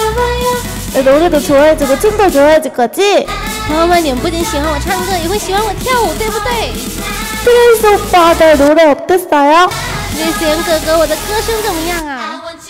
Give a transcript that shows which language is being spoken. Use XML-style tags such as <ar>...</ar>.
<ko>노래도 좋아해주고 춤도 좋아해줄거지? 여러분은</ko> <zh>不仅喜欢我唱歌也会喜欢我跳舞对不对?</zh> <ko>프린스 오빠들 노래 어땠어요?</ko> <zh>프린스 영哥哥我的歌声怎么样啊?</zh>